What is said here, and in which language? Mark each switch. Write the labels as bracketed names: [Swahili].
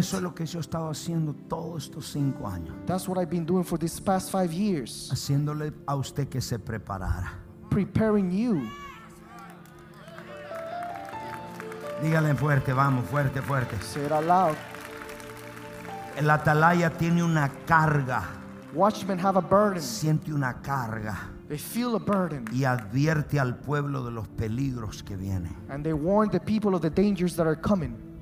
[Spanish] Eso es lo que yo he estado haciendo todos estos cinco años. [English] That's what I've been doing for these past 5 years. [Spanish] Haciéndole a usted que se preparara. [English] Preparing you. [Spanish] Dígale fuerte, vamos, fuerte, fuerte. [English] Say it aloud. [Spanish] El atalaya tiene una carga. [English] Watchmen have a burden. [Spanish] Siente una carga. [English] They feel a burden. [Spanish] Y advierte al pueblo de los peligros que vienen. [English] And they warn the people of the dangers that are coming.